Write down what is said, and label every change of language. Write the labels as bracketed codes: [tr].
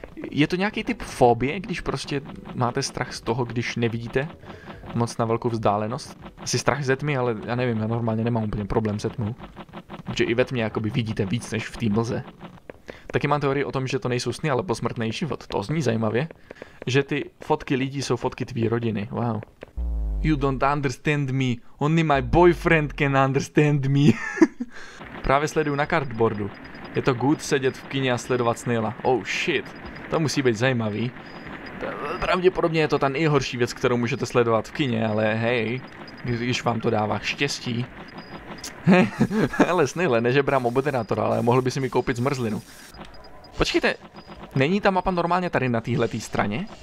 [cs] Je to nějaký typ fobie, když prostě máte strach z toho, když nevidíte moc na velkou vzdálenost? Asi strach ze tmy, ale já nevím, já normálně nemám úplně problém se tmou. Že i ve tmě jakoby vidíte víc než v té mlze. Taky mám teorii o tom, že to nejsou sny, ale posmrtný život. To zní zajímavě. Že ty fotky lidí jsou fotky tvý rodiny. [en] Wow. You don't understand me. Only my boyfriend can understand me. [cs] Právě sleduju na cardboardu. Je to good sedět v kině a sledovat Snaila. [en] Oh shit. [cs] To musí být zajímavý. Pravděpodobně je to ta nejhorší věc, kterou můžete sledovat v kině, ale hej, když vám to dává štěstí. Ale Snaile, nežebrám obdenátora, ale mohl by si mi koupit zmrzlinu. Počkejte, není ta mapa normálně tady na téhletý straně?